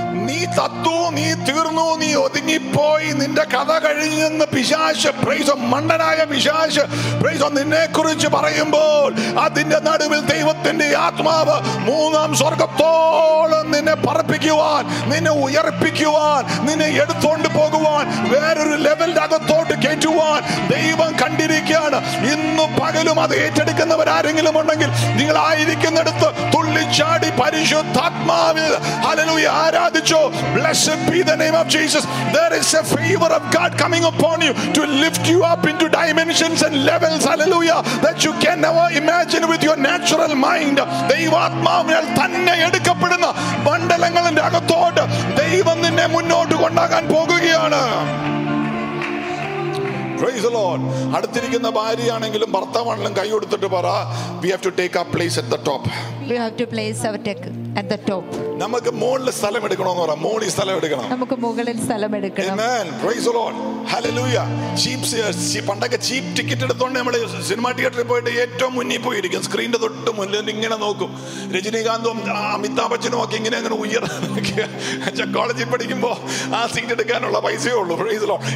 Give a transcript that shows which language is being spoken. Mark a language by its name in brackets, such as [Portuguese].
[Malayalam] നീ തത്തു, നീ തീർന്നു, നീ ഒതുങ്ങിപ്പോയി, നിന്റെ കഥ കഴിഞ്ഞെന്ന് പിശാച്, മണ്ടനായ പിശാച് നിന്നെ കുറിച്ച് പറയുമ്പോൾ അതിന്റെ നടുവിൽ ദൈവത്തിന്റെ ആത്മാവ് മൂന്നാം സ്വർഗത്തോളം നിന്നെ പറപ്പിക്കുവാൻ, നിന്നെ ഉയർപ്പിക്കുവാൻ, നിന്നെ എടുത്തോണ്ട് പോകുവാൻ, വേറൊരു ലെവലിന്റെ അകത്തോട്ട് കയറ്റുവാൻ ദൈവം കണ്ടിരിക്കുകയാണ്. ഇന്ന് പകലും അത് ഏറ്റെടുക്കുന്നവർ ആരെങ്കിലും ഉണ്ടെങ്കിൽ നിങ്ങൾ ആയിരിക്കുന്നിടത്ത് തുള്ളിച്ചാടി പരിശുദ്ധാത്മാവിൽ ഹല്ലേലൂയ ആരാധിച്ചു. [English] Blessed be the name of Jesus. There is a favor of God coming upon you to lift you up into dimensions and levels, hallelujah, that you can never imagine with your natural mind. [Malayalam] ദൈവാത്മാവിനാൽ തന്നെ എടുക്കപ്പെടുന്ന മണ്ഡലങ്ങളുടെ അകത്തോട്ട് ദൈവം നിന്നെ മുന്നോട്ട് കൊണ്ടാകാൻ പോകുകയാണ്. [English] Praise the Lord. [Malayalam] അടുത്തിരിക്കുന്ന ഭാര്യയാണെങ്കിലും ഭർത്താവാണെങ്കിലും കൈ കൊടുത്തിട്ട് പറ, [English] we have to take our place at the top. We have to place our tech at the top. [Malayalam] നമുക്ക് മോളിൽ സ്ഥലം എടുക്കണം എന്ന് പറ, മോളിൽ സ്ഥലം എടുക്കണം, നമുക്ക് മുകളിൽ സ്ഥലം എടുക്കണം. [English] Amen. Praise the Lord. Hallelujah. [Malayalam] Cheap പണ്ടൊക്കെ ചീപ്പ് ടിക്കറ്റ് എടുത്തോണ്ട് നമ്മള് സിനിമ തിയേറ്ററിൽ പോയിട്ട് ഏറ്റവും മുന്നിൽ പോയിരിക്കും, സ്ക്രീനിന്റെ തൊട്ട് മുന്നിൽ ഇങ്ങനെ നോക്കും. രജനീകാന്തും അമിതാഭ് ബച്ചനും ഒക്കെ ഇങ്ങനെ അങ്ങനെ ഉയർന്നു. കോളേജിൽ പഠിക്കുമ്പോ ആ സീറ്റ് എടുക്കാനുള്ള പൈസയേ ഉള്ളൂ. [English] Praise the Lord.